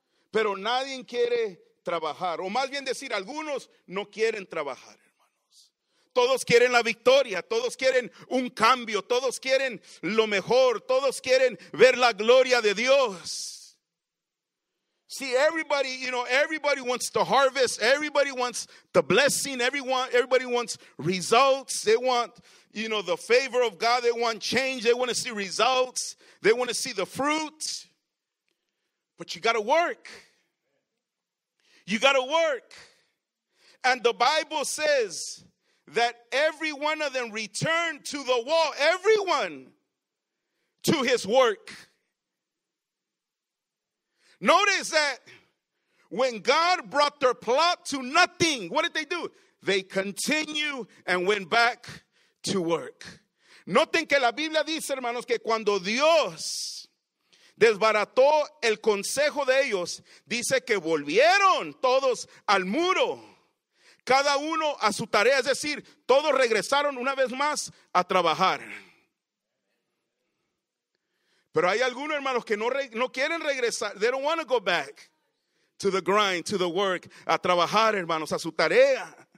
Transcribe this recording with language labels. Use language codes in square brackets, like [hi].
[es] Pero nadie quiere trabajar. O más bien decir, algunos no quieren trabajar, hermanos. Todos quieren la victoria. Todos quieren un cambio. Todos quieren lo mejor. Todos quieren ver la gloria de Dios. [en] See, everybody, you know, everybody wants the harvest. Everybody wants the blessing. Everybody wants results. They want, you know, the favor of God. They want change. They want to see results. They want to see the fruit. But you got to work. You got to work. And the Bible says that every one of them returned to the wall. Everyone to his work. Notice that when God brought their plot to nothing, what did they do? They continue and went back to work. [es] Noten que la Biblia dice, hermanos, que cuando Dios desbarató el consejo de ellos, dice que volvieron todos al muro, cada uno a su tarea, es decir, todos regresaron una vez más a trabajar. Pero hay algunos, hermanos, que no quieren regresar. [en] They don't want to go back to the grind, to the work, [es] a trabajar, hermanos, a su tarea.